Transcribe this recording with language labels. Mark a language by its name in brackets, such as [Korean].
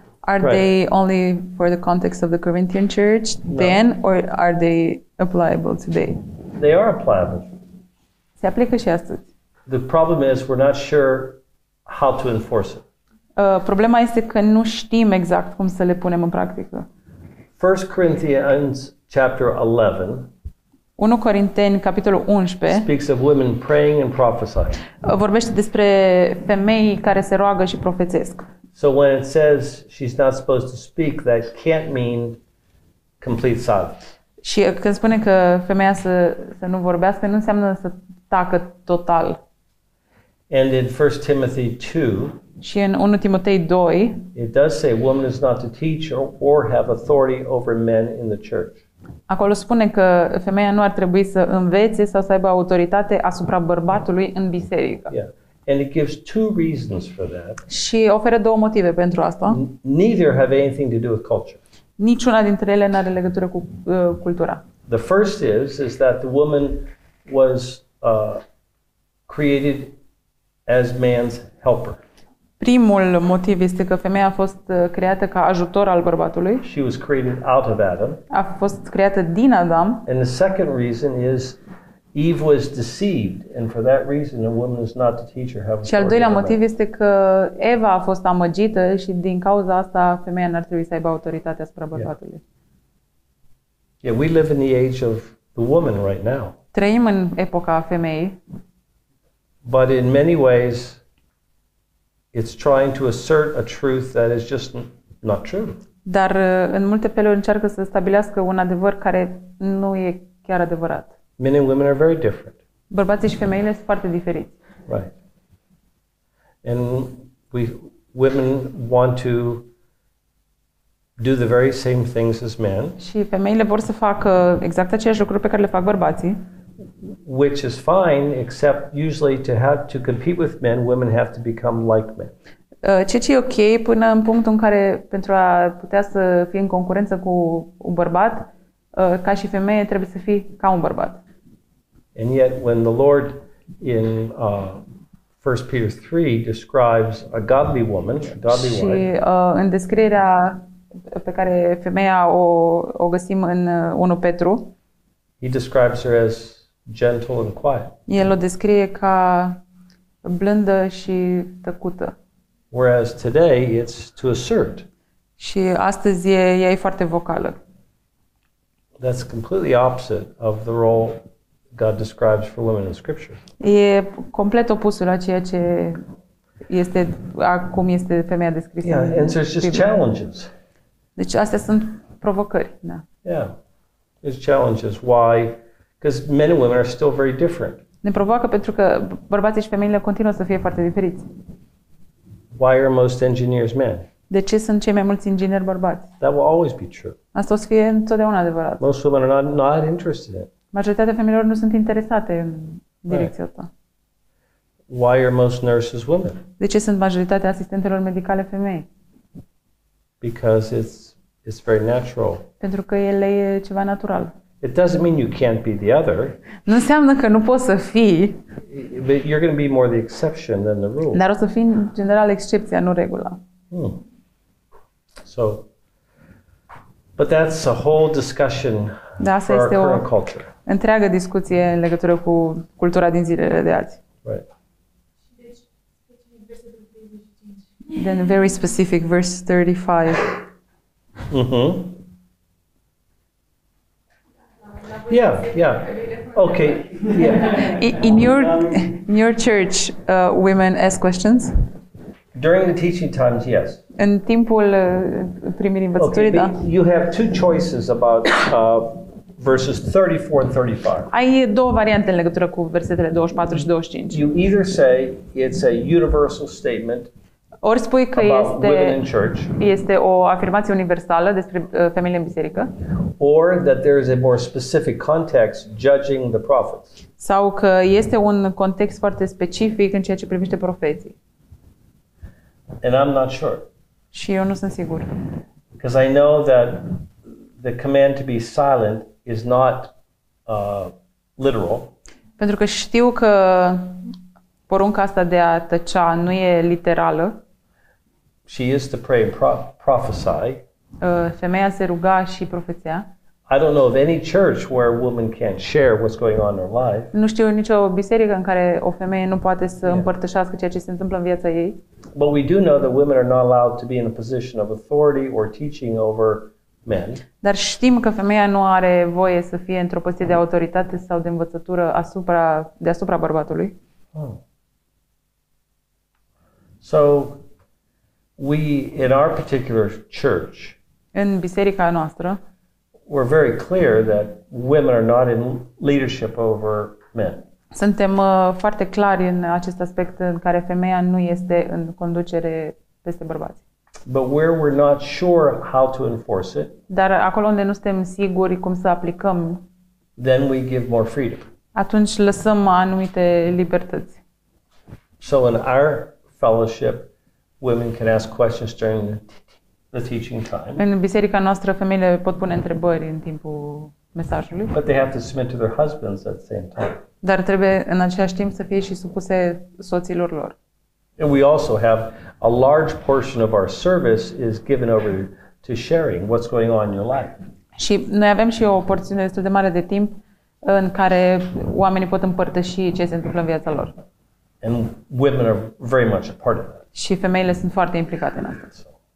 [English] Are they only for the context of the Corinthian church then, no. Or are they applicable today? They are applicable. [Romanian] Se aplică și astăzi. [English] The problem is we're not sure how to enforce it. [Romanian] Problema este că nu știm exact cum să le punem în practică. [English] 1 Corinthians chapter 11. [Romanian] 1 Corinteni capitolul 11. [English] Speaks of women praying and prophesying. [Romanian] Vorbește despre femei care se roagă și profețesc. [English] So when it says she's not supposed to speak, that can't mean complete silence. [Romanian] Și când spune că femeia să nu vorbească, nu înseamnă să tacă total. [English] And in 1 Timothy 2. [Romanian] Și în 1 Timotei 2. [English] It does say woman is not to teach or have authority over men in the church. [Romanian] Acolo spune că femeia nu ar trebui să învețe sau să aibă autoritate asupra bărbatului în biserică. [English] Yeah. And it gives two reasons for that. [Romanian] Și oferă două motive pentru asta. [English] Neither have anything to do with culture. [Romanian] Niciuna dintre ele n-are legătură cu cultura. [English] The first is that the woman was created as man's helper. [Romanian] Primul motiv este că femeia a fost creată ca ajutor al bărbatului. [English] She was created out of Adam. [Romanian] A fost creată din Adam. [English] And the second reason is Eve was deceived, and for that reason a woman is not to teach her how to. [Romanian] Și al doilea motiv este că Eva a fost amăgită și din cauza asta femeia n-ar trebui să aibă autoritatea asupra bărbatului. [English] Yeah. Yeah, we live in the age of the woman right now. [Romanian] Trăim în epoca femeii. [English] But in many ways it's trying to assert a truth that is just not true. [Romanian] Dar în multe feluri încearcă să stabilească un adevăr care nu e chiar adevărat. [English] Men and women are very different. [Romanian] Bărbații și femeile sunt foarte diferiți. [English] Right. And we women want to do the very same things as men. [Romanian] Și femeile vor să facă exact aceleași lucruri pe care le fac bărbații. [English] Which is fine, except usually to have to compete with men, women have to become like men. [Romanian] Ceea ce e ok până în punctul în care pentru a putea să fie în concurență cu un bărbat, ca și femeie trebuie să fii ca un bărbat. [English] And yet when the Lord in 1 Peter 3 describes a godly woman, a godly wife. [Romanian] Și în descrierea pe care femeia o găsim în 1 Petru, [English] he describes her as gentle and quiet. [Romanian] El o descrie ca blândă și tăcută. [English] Whereas today it's to assert. [Romanian] Și astăzi ea e foarte vocală. [English] That's completely opposite of the role God describes for women in scripture. [Romanian] E complet opusul a ceea ce este acum este femeia descrisă. [English] Yeah, and so it's just challenges. [Romanian] Deci astea sunt provocări, da. [English] Yeah. It's challenges why because men and women are still very different. [Romanian] Ne provoacă pentru că bărbații și femeile continuă să fie foarte diferiți. [English] Why are most engineers men? [Romanian] De ce sunt cei mai mulți ingineri bărbați? [English] That will always be true. [Romanian] Asta o să fie întotdeauna adevărat. [English] Most women are not interested in. [Romanian] Majoritatea femeilor nu sunt interesate în direcția asta. [English] Why are most nurses women? [Romanian] De ce sunt majoritatea asistentelor medicale femei? [English] Because it's very natural. [Romanian] Pentru că ele e ceva natural. [English] It doesn't mean you can't be the other. [Romanian] Nu înseamnă că nu poți să fii. [English] But you're going to be more the exception than the rule. [Romanian] Dar o să fii în general excepția, nu regula. Hmm. [English] So, but that's a whole discussion for our current culture. [Romanian] Întreagă discuție în legătură cu cultura din zilele de azi. [English] Right. Then a very specific verse 35. Mm-hmm. Yeah, yeah. Okay. Yeah. In your church, women ask questions. During the teaching times, yes. [Romanian] În timpul primirii învățăturii, [English] okay, [Romanian] da. [English] You have two choices about verses 34 and 35. [Romanian] Ai două variante în legătură cu versetele 24 și 25. [English] You either say it's a universal statement. [Romanian] Ori spui că este o afirmație universală despre femeile în biserică. [English] Or that there is a more specific context judging the prophets. [Romanian] Sau că este un context foarte specific în ceea ce privește profeții. [English] And I'm not sure. [Romanian] Și eu nu sunt sigur. [English] Because I know that the command to be silent is not literal. [Romanian] Pentru că știu că porunca asta de a tăcea nu e literală. [English] She is to pray and prophesy. [Romanian] Femeia se ruga și profețea. [English] I don't know of any church where a woman can't share what's going on in her life. [Romanian] Nu știu nicio biserică în care o femeie nu poate să împărtășească ceea ce se întâmplă în viața ei. [English] But we do know that women are not allowed to be in a position of authority or teaching over men. [Romanian] Dar știm că femeia nu are voie să fie într-o poziție de autoritate sau de învățătură deasupra bărbatului. Oh. [English] So we in our particular church. [Romanian] În biserica noastră. [English] We're very clear that women are not in leadership over men. [Romanian] Suntem foarte clari în acest aspect în care femeia nu este în conducere peste bărbați. [English] But where we're not sure how to enforce it. [Romanian] Dar acolo unde nu suntem siguri cum să aplicăm. [English] Then we give more freedom. [Romanian] Atunci lăsăm anumite libertăți. [English] So in our fellowship women can ask questions during the teaching time. [Romanian] În biserica noastră femeile pot pune întrebări în timpul mesajului. [English] But they have to submit to their husbands at the same time. [Romanian] Dar trebuie în același timp să fie și supuse soților lor. [English] And we also have a large portion of our service is given over to sharing what's going on in your life. [Romanian] Și noi avem și o porțiune destul de mare de timp în care oamenii pot împărtăși ce se întâmplă în viața lor. [English] And women are very much a part of that. [Romanian] Și femeile sunt foarte implicate în asta.